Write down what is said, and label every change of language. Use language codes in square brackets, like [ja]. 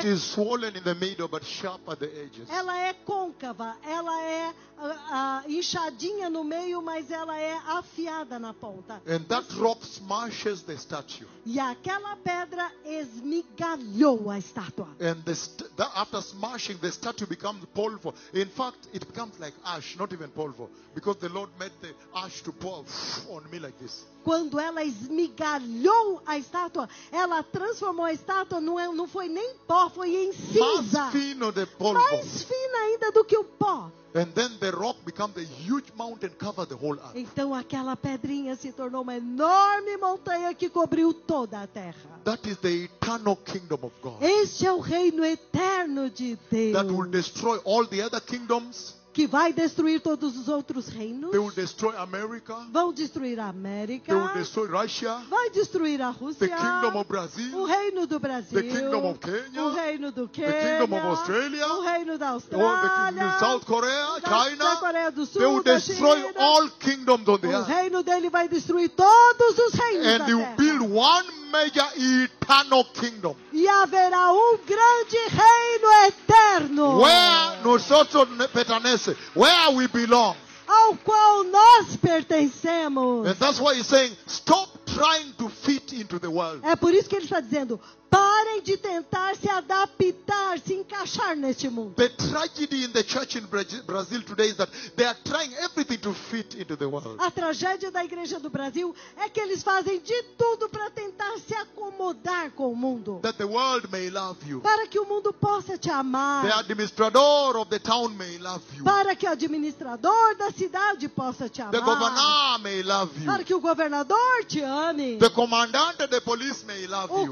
[en] It is swollen in the middle, but sharp at the edges. [pt] Ela é côncava, ela é inchadinha no meio, mas ela é afiada na ponta. [en] And that rock smashes the statue. [pt] E aquela pedra esmigalhou a estátua. [en] And the after smashing, the statue becomes polvo. In fact, it becomes like ash, not even polvo, because the Lord made the ash to pour on me like this. [pt] Quando ela esmigalhou a estátua, ela transformou a estátua, não foi nem pó, foi em cinza. Mais fino de polvo. Mais fina ainda do que o pó. [en] And then the rock becomes a huge mountain, cover the whole earth. [pt] Então aquela pedrinha se tornou uma enorme montanha que cobriu toda a terra. [en] That is the eternal kingdom of God. [pt] Este é o reino eterno de Deus. [en] That will destroy all the other kingdoms. [pt] Que vai destruir todos os outros reinos. [en] They will destroy America. [pt] Vão destruir a América. [en] They will destroy Russia. [pt] Vai destruir a Rússia. [en] The kingdom of Brazil. [pt] O reino do Brasil. [en] The kingdom of Kenya. [pt] O reino do Quênia. [en] The kingdom of Australia. [pt] O reino da Austrália. [en] Or the South Korea, China. [pt] Da Coreia do Sul. [en] They will destroy all kingdoms on the earth. [pt] O reino dele vai destruir todos os reinos. [en] And he will build one major eternal kingdom. [pt] E haverá grande reino eterno. [en] Where [es] nosotros pertenece, [en] where we belong. [pt] Ao qual nós pertencemos. [en] And that's why he's saying, stop trying to fit into the world. [pt] É por isso que ele está dizendo, parem de tentar se adaptar, se encaixar neste mundo. [en] The tragedy in the church in Brazil today is that they are trying everything to fit into the world. [pt] A tragédia da igreja do Brasil é que eles fazem de tudo para tentar se acomodar com o mundo. [en] That the world may love you. [pt] Para que o mundo possa te amar. [en] The administrator of the town may love you. [pt] Para que o administrador da cidade possa te amar. [en] The governor may love you. [pt] Para que o governador te ame. [en] The commandant of the police may love you.